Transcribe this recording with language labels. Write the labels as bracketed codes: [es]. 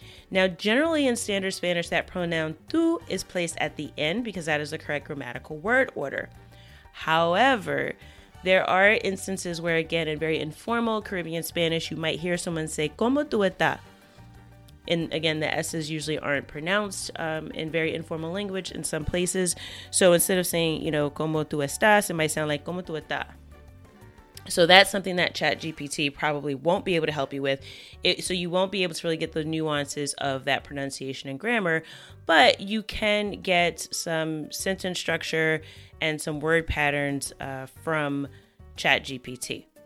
[en] Now, generally in standard Spanish, that pronoun tú is placed at the end because that is the correct grammatical word order. However, there are instances where, again, in very informal Caribbean Spanish, you might hear someone say, [es] ¿Cómo tú estás? [en] And again, the S's usually aren't pronounced in very informal language in some places. So instead of saying, you know, [es] ¿Cómo tú estás? [en] It might sound like, ¿Cómo tú estás? So that's something that ChatGPT probably won't be able to help you with. So you won't be able to really get the nuances of that pronunciation and grammar, but you can get some sentence structure and some word patterns from ChatGPT.